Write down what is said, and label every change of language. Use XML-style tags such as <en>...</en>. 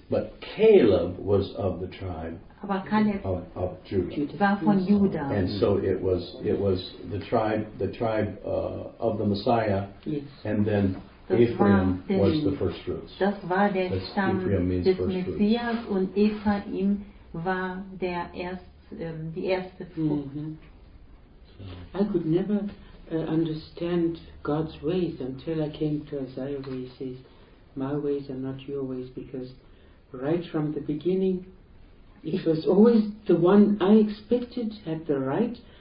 <en>But Caleb was of the tribe of Judah.</en> <de>War von Judah.</de> <en>And so it was the tribe of the Messiah. Yes. And then Ephraim was the first fruits.</en> <de>Das war der Stamm des Messias und Ephraim war der erste Frucht.</de> <en>Mm-hmm. I could never understand God's ways until I came to Isaiah where he says, my ways are not your ways, because right from the beginning, it was always the one I expected had the right.</en>